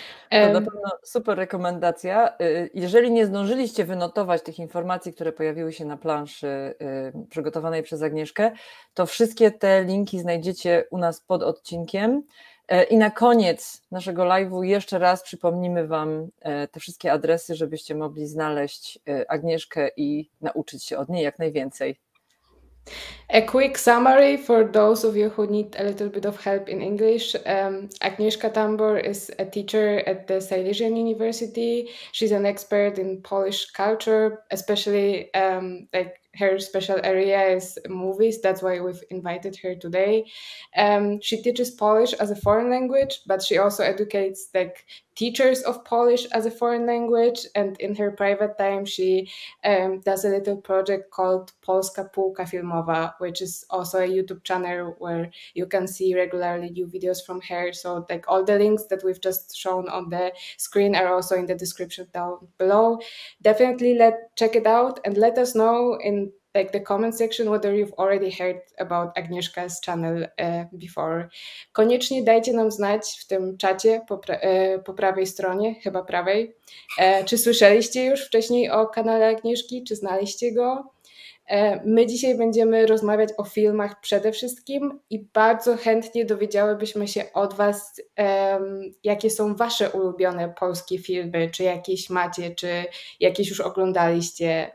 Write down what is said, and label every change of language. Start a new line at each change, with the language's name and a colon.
Polish: To na pewno super rekomendacja. Jeżeli nie zdążyliście wynotować tych informacji, które pojawiły się na planszy przygotowanej przez Agnieszkę, to wszystkie te linki znajdziecie u nas pod odcinkiem. I na koniec naszego live'u jeszcze raz przypomnimy wam te wszystkie adresy, żebyście mogli znaleźć Agnieszkę i nauczyć się od niej jak najwięcej.
English: A quick summary for those of you who need a little bit of help in English. Agnieszka Tambor is a teacher at the Silesian University. She's an expert in Polish culture, especially like her special area is movies. That's why we've invited her today. She teaches Polish as a foreign language, but she also educates like teachers of Polish as a foreign language. And in her private time, she does a little project called Polska Półka Filmowa, which is also a YouTube channel where you can see regularly new videos from her. So like all the links that we've just shown on the screen are also in the description down below. Definitely check it out and let us know in like the comment section whether you've already heard about Agnieszka's channel before.
Polish: Koniecznie dajcie nam znać w tym czacie po prawej stronie, chyba prawej, czy słyszeliście już wcześniej o kanale Agnieszki, czy znaliście go. My dzisiaj będziemy rozmawiać o filmach przede wszystkim i bardzo chętnie dowiedziałybyśmy się od was, jakie są wasze ulubione polskie filmy, czy jakieś macie, czy jakieś już oglądaliście.